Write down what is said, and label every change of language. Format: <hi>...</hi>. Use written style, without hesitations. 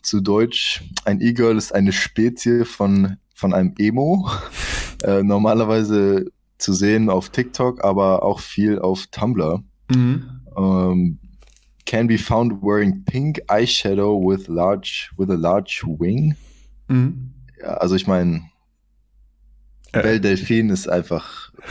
<de>Zu Deutsch, ein E-Girl ist eine Spezie von einem Emo. Normalerweise zu sehen auf TikTok, aber auch viel auf Tumblr. Mhm.</de> <en>Can be found wearing pink eyeshadow with a large wing. Mhm.</en> <de>Ja, also ich meine, Belle Delphine ist einfach.</de>